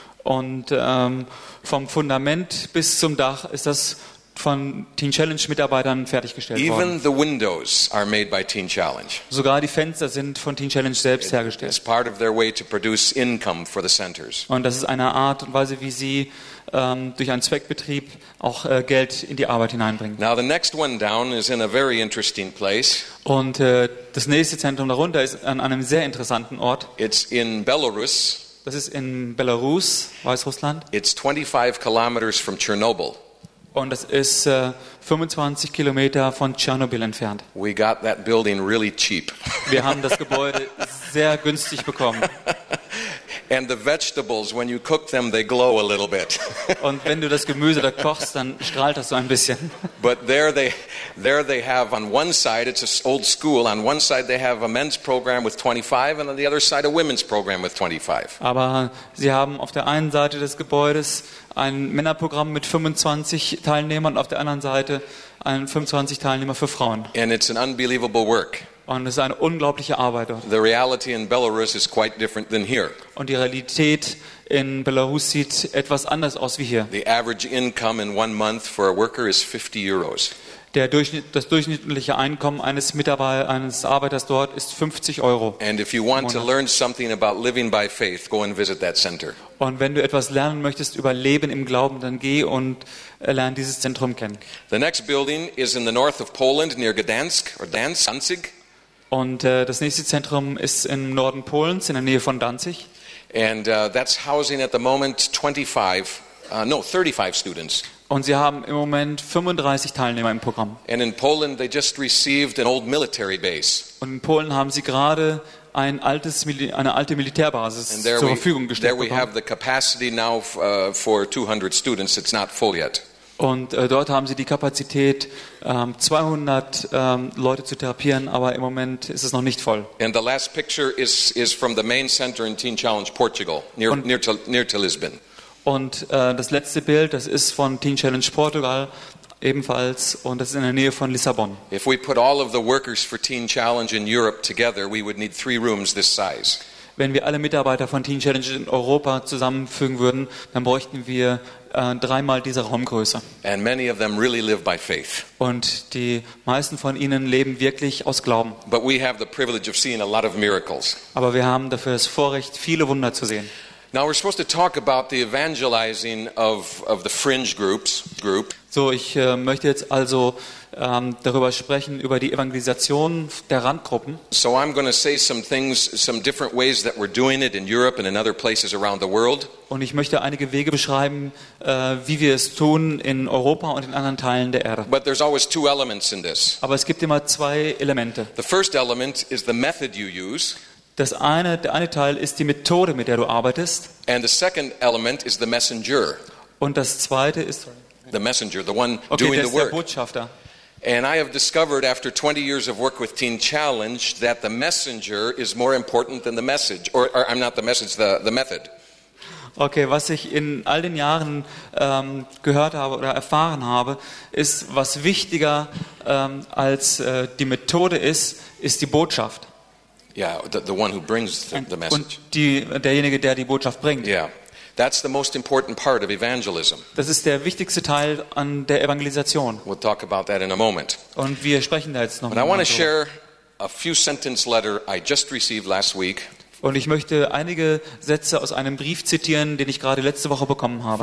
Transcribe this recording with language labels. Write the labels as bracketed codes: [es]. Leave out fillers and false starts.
[de] Und vom Fundament bis zum Dach ist das von Teen Challenge Mitarbeitern fertiggestellt [en] Even [de] worden. [en] The windows are made by Teen Challenge. [de] Sogar die Fenster sind von Teen Challenge selbst hergestellt. [en] It's part of their way to produce income for the centers. [de] Und das ist eine Art und Weise, wie sie durch einen Zweckbetrieb auch Geld in die Arbeit hineinbringen. [en] Now the next one down is in a very interesting place. [de] Und das nächste Zentrum darunter ist an einem sehr interessanten Ort. [en] It's in Belarus. [de] Das ist in Belarus, Weißrussland. [en] It's 25 kilometers from Chernobyl. [de] Und das ist 25 Kilometer von Tschernobyl entfernt. [en] We got that building really cheap. [de] Wir haben das Gebäude sehr günstig bekommen. [en] And the vegetables, when you cook them, they glow a little bit. [de] Und wenn du das Gemüse da kochst, dann strahlt das so ein bisschen. [en] But there they have on one side, it's an old school, on one side they have a men's program with 25 and on the other side a women's program with 25. [de] Aber sie haben auf der einen Seite des Gebäudes ein Männerprogramm mit 25 Teilnehmern und auf der anderen Seite ein 25 Teilnehmer für Frauen. [en] And it's an unbelievable work. [de] Und es ist eine unglaubliche Arbeit. [en] The reality in Belarus is quite different than here. [de] Und die Realität in Belarus sieht etwas anders aus wie hier. [en] The average income in one month for a worker is 50 euros. [de] Das durchschnittliche Einkommen eines Mitarbeiters, eines Arbeiters dort ist 50 Euro. [en] And if you want to learn something about living by faith, go and visit that center. [de] Und wenn du etwas lernen möchtest über Leben im Glauben, dann geh und lern dieses Zentrum kennen. [en] The next building is in the north of Poland near Gdansk or Danzig. [de] Und das nächste Zentrum ist im Norden Polens in der Nähe von Danzig. [en] And that's housing at the moment 35 students. [de] Und sie haben im Moment 35 Teilnehmer im Programm. [en] And in Poland they just received an old military base. [de] Und in Polen haben sie gerade eine alte Militärbasis zur Verfügung gestellt bekommen. [en] There we have the capacity now for 200 students. It's not full yet. [de] Und dort haben sie die Kapazität, 200 Leute zu therapieren, aber im Moment ist es noch nicht voll. [en] And the last picture is from the main center in Teen Challenge Portugal, near to Lisbon. [de] Und das letzte Bild, das ist von Teen Challenge Portugal ebenfalls, und das ist in der Nähe von Lissabon. [en] If we put all of the workers for Teen Challenge in Europe together, we would need 3 rooms this size. [de] Wenn wir alle Mitarbeiter von Teen Challenge in Europa zusammenfügen würden, dann bräuchten wir dreimal diese Raumgröße. [en] And many of them really live by faith. [de] Und die meisten von ihnen leben wirklich aus Glauben. [en] But we have the privilege of seeing a lot of miracles. [de] Aber wir haben dafür das Vorrecht, viele Wunder zu sehen. [en] Now we're supposed to talk about the evangelizing of the fringe group. [de] So, ich möchte jetzt also darüber sprechen, über die Evangelisation der Randgruppen. [en] So I'm going to say some things, some different ways that we're doing it in Europe and in other places around the world. [de] Und ich möchte einige Wege beschreiben, wie wir es tun in Europa und in anderen Teilen der Erde. [en] But there's always 2 elements in this. [de] Aber es gibt immer 2 Elemente. [en] The first element is the method you use. [de] Der eine Teil ist die Methode, mit der du arbeitest. [en] And the second element is the messenger. [de] Und das zweite ist [en] the messenger, the one doing the work. [de] Der Botschafter. [en] And I have discovered after 20 years of work with Teen Challenge that the messenger is more important than the message, or I'm not the message, the method. [de] Okay, was ich in all den Jahren gehört habe oder erfahren habe, ist, was wichtiger als die Methode ist, ist die Botschaft. [en] Yeah, the one who brings the message. [de] Und derjenige, der die Botschaft bringt. [en] Yeah, that's the most important part of evangelism. [de] Das ist der wichtigste Teil an der Evangelisation. [en] We'll talk about that in a moment. [de] Und wir sprechen da jetzt noch. [en] But I want to share a few sentence letter I just received last week. [de] Und ich möchte einige Sätze aus einem Brief zitieren, den ich gerade letzte Woche bekommen habe.